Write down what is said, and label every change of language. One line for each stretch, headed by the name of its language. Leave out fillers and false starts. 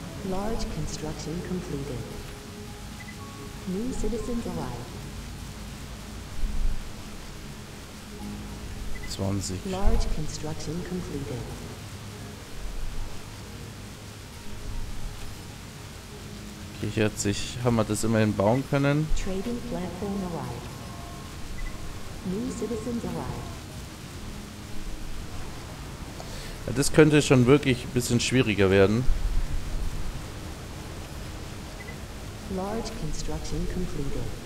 English: Large construction completed. New citizens arrived.
German: 25.
English: Large construction completed.
German: Okay, hier hat sich, haben wir das immerhin bauen können.
English: Trading platform arrived. New citizens arrived.
German: Das könnte schon wirklich ein bisschen schwieriger werden.
English: Large construction completed.